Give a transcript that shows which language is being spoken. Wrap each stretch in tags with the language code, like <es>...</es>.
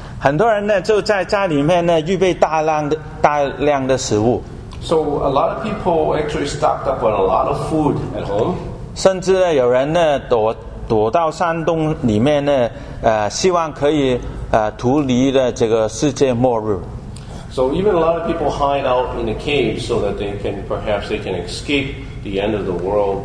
<zh>很多人呢就在家里面呢预备大量的食物。</zh> <en>So a lot of people actually stocked up on a lot of food at home.</en> <zh>甚至呢有人呢躲到山洞里面呢，希望可以脱离的这个世界末日。</zh> <en>So even a lot of people hide out in the cave so that they can escape the end of the world.</en>